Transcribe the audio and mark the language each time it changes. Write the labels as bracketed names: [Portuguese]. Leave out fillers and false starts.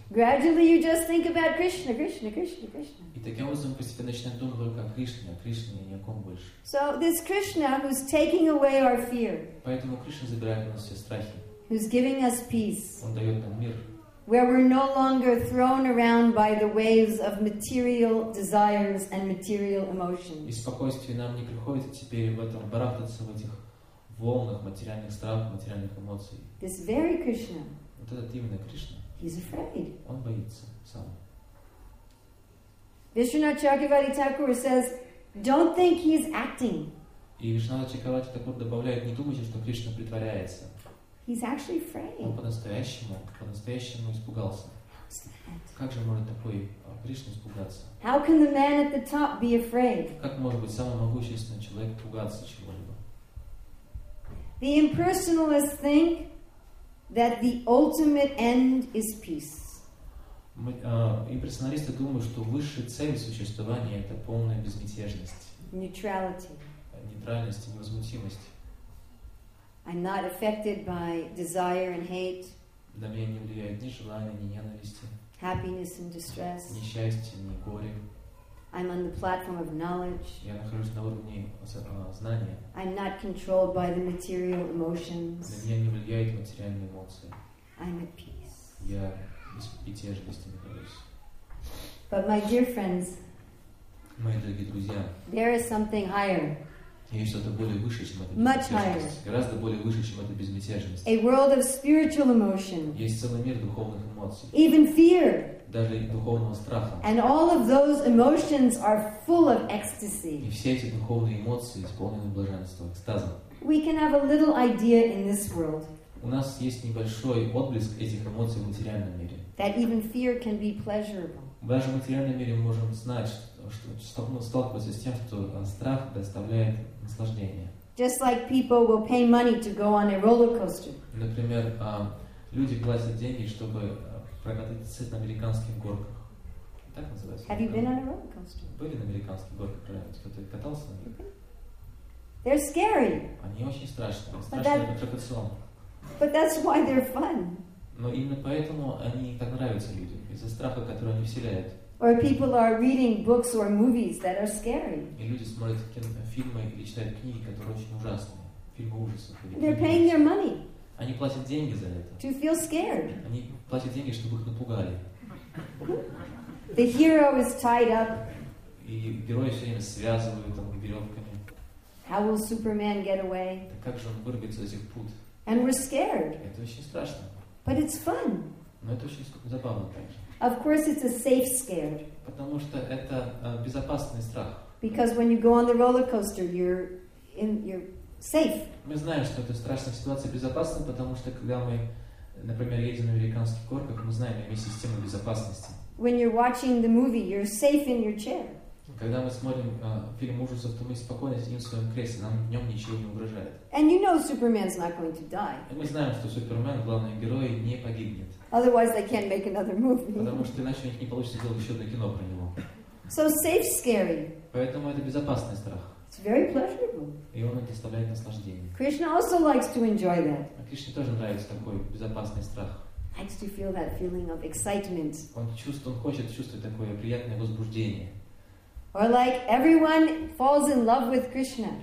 [English] Gradually you just think about Krishna, Krishna, Krishna, Krishna. [Russian] И таким образом постепенно начинаем думать только о Кришне, о Кришне и ни о ком больше. [English] So this Krishna who's taking away our fear. [Russian] Поэтому Кришна забирает у нас все страхи. [English] Who's giving us peace. [Russian] Он дает нам мир. [English] Where we're no longer thrown around by the waves of material desires and material emotions. [Russian] И спокойствие нам не приходится теперь в этом барахтаться в этих волнах материальных страхов, материальных эмоций. [English] This very Krishna. [Russian] Вот этот именно Кришна. [English] He's afraid. [Russian] Он боится сам. [English] Vishwanatha Chakravarti Thakur says, "Don't think he's acting." [Russian] И Вишнанатха Чакраварти Такур добавляет, не думайте, что Кришна притворяется. [English] He's actually afraid. [Russian] Он по-настоящему испугался. Как же может такой Кришна испугаться? [English] How can the man at the top be afraid? [Russian] Как может быть самый могущественный человек пугаться чего-либо? [English] The impersonalists think that the ultimate end is peace. [Russian] Имперсоналисты думают, что высшая цель существования — это полная безмятежность. [English] Neutrality. [Russian] Нейтральность и невозмутимость. [English] I'm not affected by desire and hate. [Russian] На меня не влияют ни желания, ни ненависти. [English] Happiness and distress. [Russian] Ни счастье, ни горе. [English] I'm on the platform of knowledge. [Russian] Я нахожусь на уровне знания. [English] I'm not controlled by the material emotions. [Russian] На меня не влияют материальные эмоции. [English] I'm at peace. [Russian] Я безмятежности нахожусь. [English] But my dear friends, [Russian] мои дорогие друзья, [English] there is something higher. [Russian] Есть что-то более выше, чем эта безмятежность. Гораздо более выше, чем эта безмятежность. [English] A world of spiritual emotion. [Russian] Есть целый мир духовных эмоций. [English] Even fear. [Russian] Даже духовного страха. [English] And all of those emotions are full of ecstasy. [Russian] И все эти духовные эмоции исполнены блаженства, экстазом. [English] We can have a little idea in this world. [Russian] У нас есть небольшой отблеск этих эмоций в материальном мире. [English] That even fear can be pleasurable. [Russian] Даже в материальном мире мы можем знать, что сталкиваться с тем, что страх доставляет наслаждение. [English] Just like people will pay money to go on a roller coaster. [Russian] Например, люди платят деньги, чтобы прокатиться на американских горках. Так называется. [English] Have you been on a roller coaster? [Russian] Были на американских горках, правильно? Кто-то катался на них? [English] They're scary. [Russian] Они очень страшные. Страшные аттракцион. [English] But that's why they're fun. [Russian] Но именно поэтому они так нравятся людям. Из-за страха, который они вселяют. [English] Or people are reading books or movies that are scary. [Russian] И люди смотрят фильмы или читают книги, которые очень ужасные. Фильмы ужасов. [English] They're paying their money. [Russian] Они платят деньги за это. [English] To feel scared. [Russian] Они платят деньги, чтобы их напугали. [English] The hero is tied up. [Russian] И героя все время связывают там веревками. [English] How will Superman get away? [Russian] Так как же он вырвется из этих пут? [English] And we're scared. [Russian] Это очень страшно. [English] But it's fun. [Russian] Но это очень забавно, конечно. [English] Of course, it's a safe scared. [Russian] Потому что это безопасный страх. [English] Because when you go on the roller coaster, you're safe. [Russian] Мы знаем, что эта страшная ситуация безопасна, потому что когда мы, например, едем на американских горках, мы знаем, есть система безопасности. [English] When you're watching the movie, you're safe in your chair. [Russian] Когда мы смотрим фильм ужасов, то мы спокойно сидим в своем кресле, нам в нем ничего не угрожает. [English] And you know Superman's not going to die. [Russian] И мы знаем, что Супермен, главный герой, не погибнет. [English] Otherwise, they can't make another movie. [Russian] Потому что иначе у них не получится сделать еще одно кино про него. [English] So safe, scary. [Russian] Поэтому это безопасный страх. [English] It's very pleasurable. [Russian] И он доставляет наслаждение. [English] Krishna also likes to enjoy that. [Russian] А Кришне тоже нравится такой безопасный страх. [English] Likes to feel that feeling of excitement. [Russian] Он хочет чувствовать такое приятное возбуждение. [English] Or like everyone falls in love with Krishna.